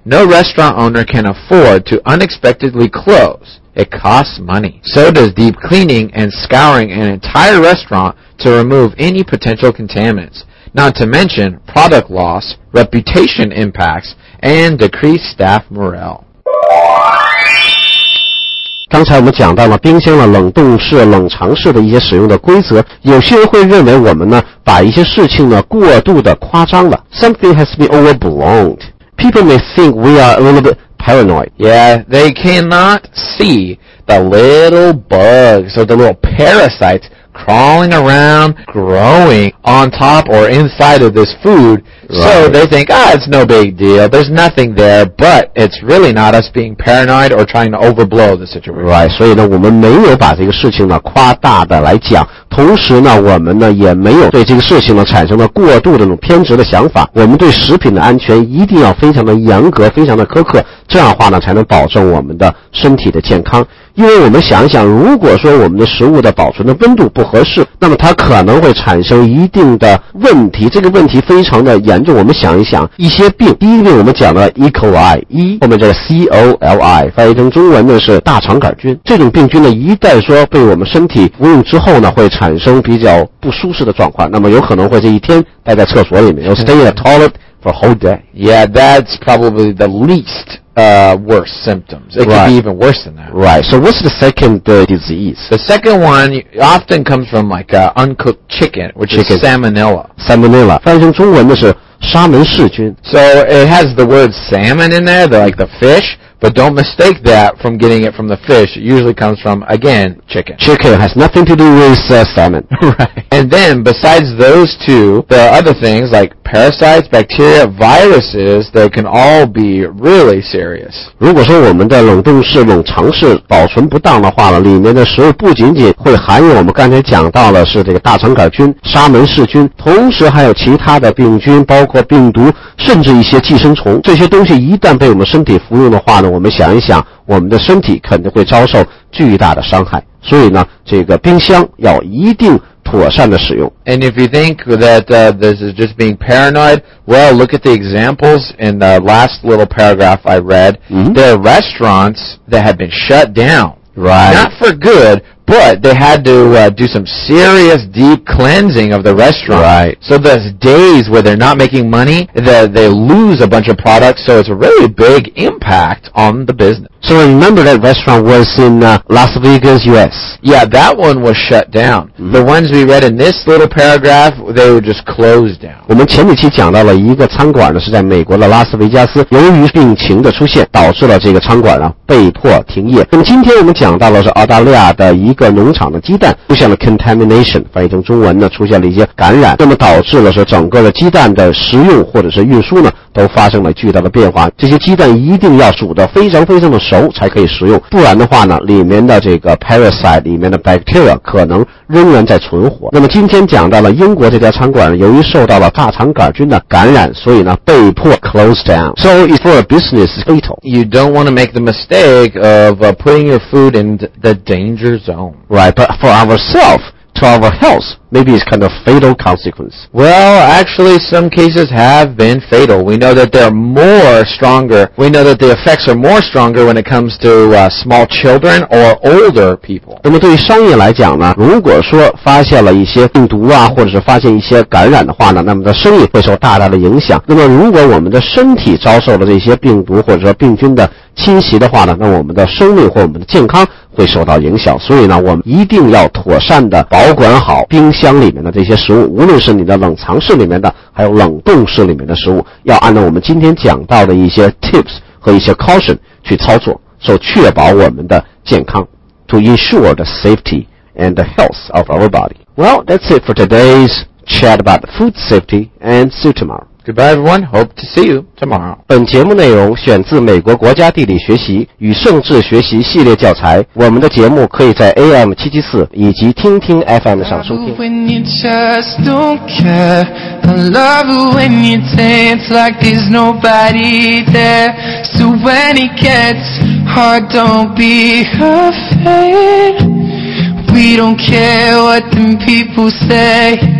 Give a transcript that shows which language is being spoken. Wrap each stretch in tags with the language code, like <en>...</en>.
<en>No restaurant owner can afford to unexpectedly close. It costs money. So does deep cleaning and scouring an entire restaurant to remove any potential contaminants. Not to mention product loss, reputation impacts, and decreased staff morale.</en> <zh>刚才我们讲到了冰箱的冷冻室、冷藏室的一些使用的规则，有些人会认为我们呢把一些事情呢过度的夸张了。</zh> <en>Something has been overblown. People may think we are a little bit paranoid. Yeah, they cannot see the little bugs or the little parasites crawling around, growing on top or inside of this food. So they think, it's no big deal. There's nothing there, but it's really not us being paranoid or trying to overblow the situation.</en> <zh>Right, 所以呢，我们没有把这个事情呢夸大的来讲，同时呢，我们呢也没有对这个事情呢产生了过度的那种偏执的想法。我们对食品的安全一定要非常的严格，非常的苛刻，这样的话呢才能保证我们的身体的健康。因为我们想一想，如果说我们的食物的保存的温度不合适，那么它可能会产生一定的问题，这个问题非常的严重。我们想一想一些病，第一个病我们讲了 E. coli， 后面这个 COLI 翻译成中文呢是大肠杆菌。这种病菌呢一旦说被我们身体服用之后呢，会产生比较不舒适的状况，那么有可能会这一天待在厕所里面，要</zh> <en>stay in the toilet for a whole day. Yeah, that's probably the leastworse symptoms. It could be even worse than that. Right. So what's the second disease? The second one often comes from like uncooked chicken, which chicken. Is salmonella. Salmonella.</en> <zh>翻译成中文的是沙门氏菌。</zh> <en>So it has the word salmon in there, like the fish, but don't mistake that from getting it from the fish. It usually comes from, again, chicken. Chicken has nothing to do with salmon. Right. And then besides those two, there are other things like parasites, bacteria, viruses that can all be really serious.</en> <zh>如果说我们的冷冻室、冷藏室保存不当的话呢，里面的食物不仅仅会含有我们刚才讲到的是这个大肠杆菌、沙门氏菌，同时还有其他的病菌，包括病毒，甚至一些寄生虫。这些东西一旦被我们身体服用的话呢，我们想一想，我们的身体肯定会遭受巨大的伤害。所以呢，这个冰箱要一定妥善的使用。</zh> <en>And if you think that this is just being paranoid, well, look at the examples in the last little paragraph I read. Mm-hmm. There are restaurants that have been shut down. Right. Not for good, but they had to do some serious deep cleansing of the restaurant. Right. So there's days where they're not making money, that they lose a bunch of products, so it's a really big impact on the business. So remember that restaurant was in Las Vegas, U.S.? Yeah, that one was shut down. Mm-hmm. The ones we read in this little paragraph, they were just closed down.</en> <zh>我们前几期讲到了一个餐馆呢，是在美国的拉斯维加斯，由于病情的出现，导致了这个餐馆呢被迫停业。那么今天我们讲到了是澳大利亚的一个农场的鸡蛋出现了 contamination， 翻译成中文呢出现了一些感染，那么导致了是整个的鸡蛋的食用或者是运输呢都发生了巨大的变化。这些鸡蛋一定要煮得非常非常的熟才可以食用，不然的话呢里面的这个 parasite 里面的 bacteria 可能仍然在存活。那么今天讲到了英国这家餐馆由于受到了大肠杆菌的感染，所以呢被迫</zh> <en>close down. So it's for a business fatal. You don't want to make the mistake of putting your food in the danger zone. Right, but for ourselves, to our health, maybe it's kind of fatal consequence. Well, actually, some cases have been fatal. We know that they're more stronger. We know that the effects are more stronger when it comes to small children or older people.</en> <zh>那么对于商业来讲呢，如果说发现了一些病毒啊，或者是发现一些感染的话呢，那么的生意会受大大的影响。那么如果我们的身体遭受了这些病毒或者说病菌的侵袭的话呢，那我们的生命或我们的健康会受到影响。所以呢，我们一定要妥善的保管好冰箱里面的这些食物，无论是你的冷藏室里面的还有冷冻室里面的食物，要按照我们今天讲到的一些 tips 和一些 caution 去操作，所以确保我们的健康，</zh> <en>to ensure the safety and the health of our body. Well, that's it for today's chat about food safety, and see you tomorrow. Goodbye everyone, hope to see you tomorrow.</en> <zh>本节目内容选自美国国家地理学习与政治学习系列教材，我们的节目可以在 AM774 以及听听 FM 上收听。</zh> <en>I love it when you just don't care. I love it when you dance like there's nobody there. So when it gets hard, don't be afraid. We don't care what them people say.</en>